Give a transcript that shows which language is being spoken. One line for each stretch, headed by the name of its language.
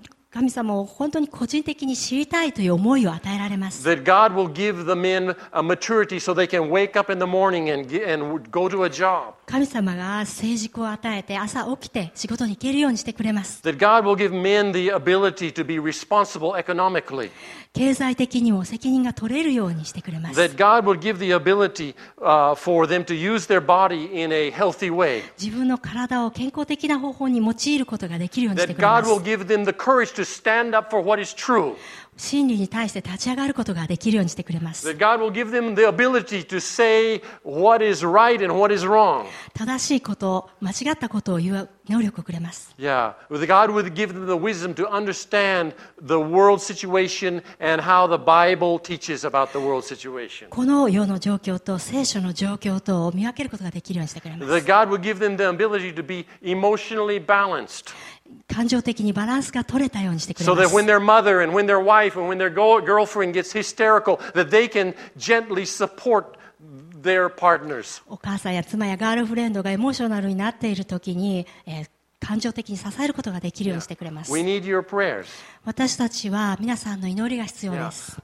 Japanese: 神様を本当に個人的に知りたいという思いを与えられます。
English: That God will give the men a maturity so they can wake up in the morning and go to a job.
Japanese: 神様が成熟を与えて朝起きて仕事に行けるようにしてくれます。
English: That God will give men the ability to be responsible economically.
Japanese: 経済的にも責任が取れるようにしてくれます。
English: That God will give the ability for them to use their body in a healthy way.
Japanese: 自分の体を健康的な方法に用いることができるようにしてくれます。
English: That God will give them the courage to stand up for what is true.
Japanese: 真理に対して立ち上がることができるようにしてくれます。
English: God will give them the ability to say what is right and what is wrong.
Japanese: 正しいこと、間違ったことを言う能力をくれます。
English: Yeah, God will give them the wisdom to understand the world situation and how the Bible teaches about the world situation.
Japanese: この世の状況と聖書の状況とを見分けることができるようにしてくれます。
English: God will give them the ability to be emotionally balanced.
Japanese: 感情的にバランスが取れたようにしてくれます。
English: So that when their mother and when their wife and when their girlfriend gets hysterical, that they can gently support their partners.
Japanese: お母さんや妻やガールフレンドがエモーショナルになっているときに、感情的に支えることができるようにしてくれます。
English: We need your prayers.
Japanese: 私たちは皆さんの祈りが必要です。